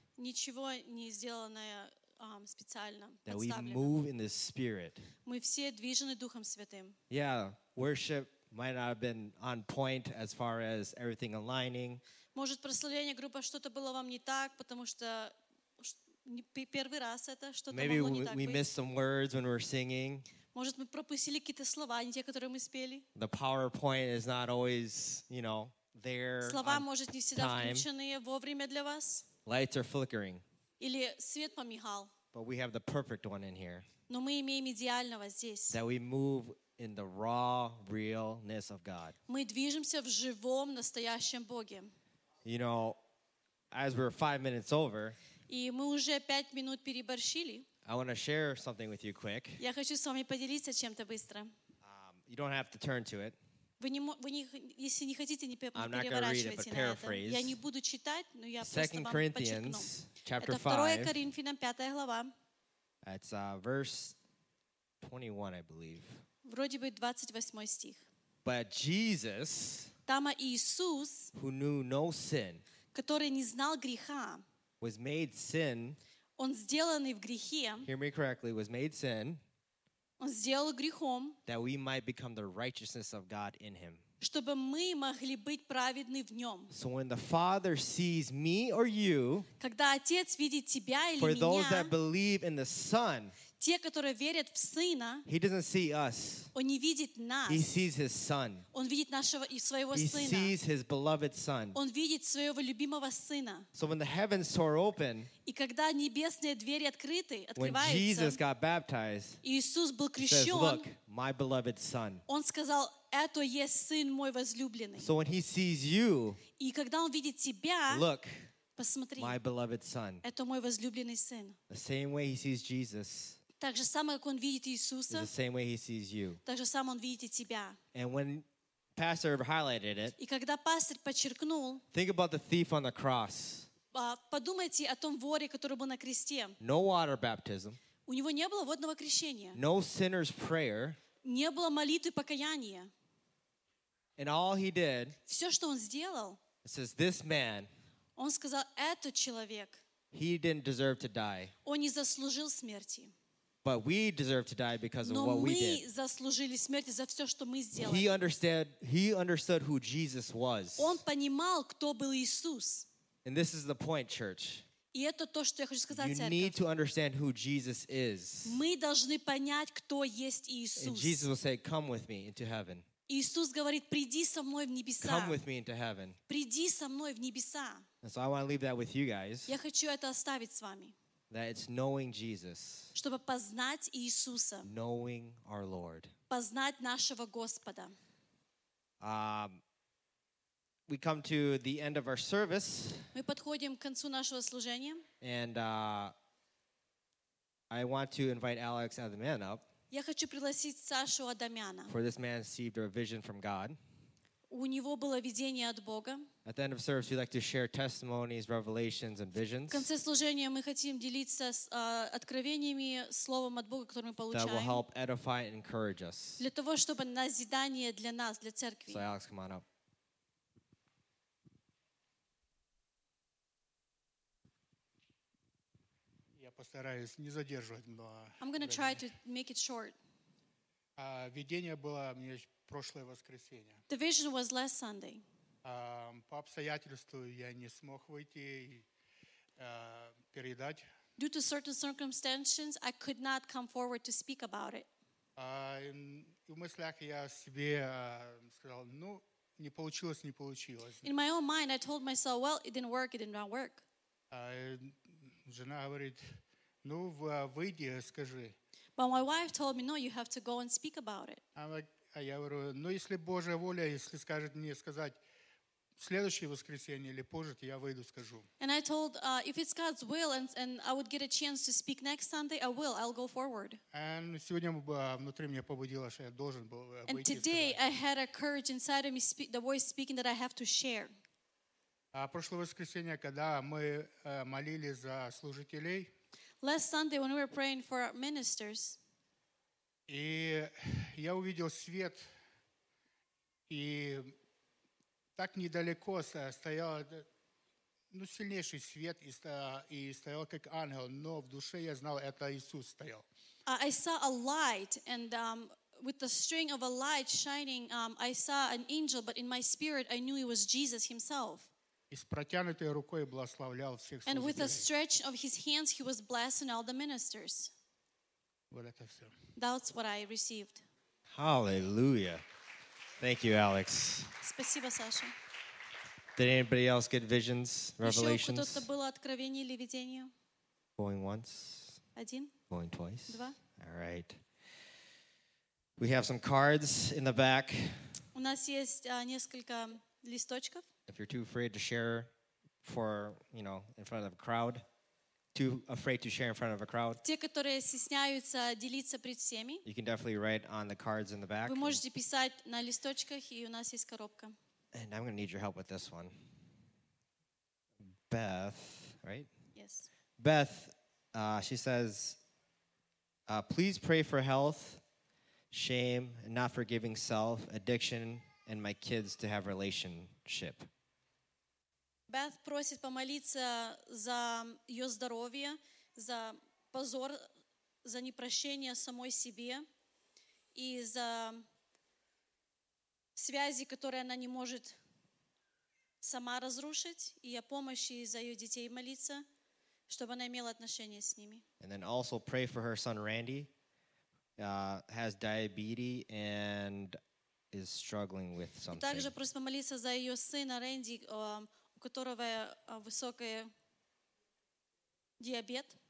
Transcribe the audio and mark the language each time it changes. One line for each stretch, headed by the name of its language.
Ukrainian: Нічого не зроблено спеціально.
English: That we move in the Spirit.
Ukrainian: Ми всі движені Духом Святим.
English: Yeah, worship might not have been on point as far as everything aligning.
Ukrainian: Може, прославлення групи щось було вам не так, тому що перший раз це щось могло не так бути.
English: Maybe we missed some words when we're singing.
Ukrainian: Може, ми пропустили якісь слова, не ті, які ми спіли.
English: The PowerPoint is not always, you know, there.
Ukrainian: Слова може не завжди включені вовремя для вас.
English: Lights are flickering.
Ukrainian: Или світ помігав.
English: But we have the perfect one in here.
Ukrainian: Но ми маємо ідеального здесь.
English: That we move in the raw realness of God.
Russian: Ми движемся в живом, настоящем Боге.
English: You know, as we're 5 minutes over.
Ukrainian: І ми вже 5 минут переборщили.
English: I want to share something with you quick.
Russian: Я хочу с вами поделиться чем-то быстро.
English: You don't have to turn to it.
Russian: Если не хотите, не переворачивайте на это. Я не буду читать, но я просто вам подчеркну.
English: 2 Corinthians chapter
Russian: 5. Это 2 Коринфянам 5 глава.
English: It's verse 21, I believe.
Russian: Вроде бы 28 стих.
English: But Jesus,
Russian: Тама Иисус,
English: who knew no sin,
Russian: который не знал греха,
English: was made sin.
Russian: Он сделанный в грехе.
English: Hear me correctly, was made sin.
Russian: Он сделал грехом.
English: That we might become the righteousness of God in him.
Russian: Чтобы мы могли быть праведны в нём.
English: So when the Father sees me or you,
Russian: когда отец видит тебя или меня,
English: for those that believe in the Son,
Russian: те, которые верят в Сына,
English: he doesn't see us.
Russian: Он не видит нас.
English: He sees his Son.
Russian: Он видит нашего и своего Сына.
English: He sees his beloved Son.
Russian: Он видит своего любимого Сына.
English: So when the heavens soar open,
Russian: и когда небесные двери открыты, открываются,
English: when Jesus got baptized,
Russian: Иисус был крещен,
English: says, look, my beloved Son.
Russian: Он сказал, это есть Сын мой возлюбленный.
English: So when he sees you,
Russian: и когда он видит тебя,
English: look,
Russian: посмотри,
English: my beloved Son.
Russian: Это мой возлюбленный Сын.
English: The same way he sees Jesus,
Russian: так же само, как он видит Иисуса,
English: the same way he sees you.
Russian: Так же само он видит и тебя.
English: And when pastor highlighted it,
Russian: и когда пастор подчеркнул,
English: think about the thief on the cross.
Russian: Подумайте о том воре, который был на кресте.
English: No water baptism.
Russian: У него не было водного крещения.
English: No sinner's prayer.
Russian: Не было молитвы покаяния.
English: And all he did,
Russian: все, что он сделал,
English: it says, this man,
Russian: он сказал, этот человек,
English: he didn't deserve to die.
Russian: Он не заслужил смерти.
English: But we deserve to die because of what we did.
Russian: Но мы заслужили смерти за все, что мы сделали.
English: He understood who Jesus was.
Russian: Он понимал, кто был Иисус.
English: And this is the point, church.
Russian: И это то, что я хочу сказать, церковь.
English: You need to understand who Jesus is.
Russian: Мы должны понять, кто есть Иисус.
English: And Jesus will say, "Come with me into heaven."
Russian: Иисус говорит, приди со мной в небеса.
English: Come with me into heaven.
Russian: Приди со мной в небеса.
English: And so I want to leave that with you guys.
Russian: Я хочу это оставить с вами.
English: That it's knowing Jesus.
Russian: Чтобы познать Иисуса.
English: Knowing our Lord.
Russian: Познать нашего Господа.
English: We come to the end of our service.
Russian: Мы подходим к концу нашего служения.
English: And I want to invite Alex Adamian up.
Russian: Я хочу пригласить Сашу Адамяна.
English: For this man received a vision from God.
Russian: У него было видение от Бога.
English: At the end of service, we'd like to share testimonies, revelations, and visions.
Russian: В конце служения мы хотим делиться откровениями, словом от Бога, которое мы получаем.
English: That will help edify and encourage us.
Russian: Для того, чтобы назидание для нас, для церкви.
English: So Alex, come on up.
Russian: Я постараюсь не задерживать много.
English: I'm going to try to make it short.
Russian: Видение было мне прошлое воскресенье.
English: The vision was last Sunday.
Russian: По обстоятельству я не смог выйти и передать.
English: Due to certain circumstances, I could not come forward to speak about it.
Russian: В мыслях я себе сказал, ну, не получилось, не получилось.
English: In my own mind, I told myself, well, it didn't work, it did not work.
Russian: Жена говорит, ну, выйди, скажи.
English: But my wife told me, no, you have to go and speak about it. I'm like,
Russian: А я говорю, ну если Божья воля, если скажет мне сказать в следующее воскресенье или позже, я выйду, скажу.
English: And I told, if it's God's will and I would get a chance to speak next Sunday, I will, I'll go forward.
Russian: And сегодня внутри меня побудило, что я должен был выйти.
English: And today I had a courage inside of me, the voice speaking that I have to share.
Russian: А прошлое воскресенье, когда мы молились за служителей.
English: Last Sunday when we were praying for our ministers.
Russian: И я увидел свет, и так недалеко стоял, ну, сильнейший свет, и стоял как ангел, но в душе я знал, это Иисус стоял.
English: I saw a light, and with the string of a light shining, I saw an angel, but in my spirit I knew it was Jesus himself.
Russian: И с протянутой рукой благословлял всех служителей.
English: And with a stretch of his hands he was blessing all the ministers.
Russian: Вот это все.
English: That's what I received. Hallelujah. Thank you, Alex.
Russian: Спасибо, Саша.
English: Did anybody else get visions, revelations?
Russian: Еще кто-то было откровение или видение?
English: Going once.
Russian: Один.
English: Going twice.
Russian: Два.
English: All right. We have some cards in the back.
Russian: У нас есть несколько листочков.
English: If you're too afraid to share for, you know, in front of a crowd, too afraid to share in front of a crowd.
Russian: Те, которые стесняются делиться пред всеми.
English: You can definitely write on the cards in the back.
Russian: Вы можете писать на листочках, и у нас есть коробка.
English: And I'm going to need your help with this one. Beth, right? Yes. Beth, she says, please pray for health, shame, not forgiving self, addiction, and my kids to have relationship.
Russian: Beth просит помолиться за ее здоровье, за позор, за непрощение самой себе и за связи, которые она не может сама разрушить, и о помощи за ее детей молиться, чтобы она имела отношение с ними.
English: And then also pray for her son Randy, has diabetes and is struggling with something.
Russian: И также просит помолиться за ее сына Randy, у которого высокий диабет.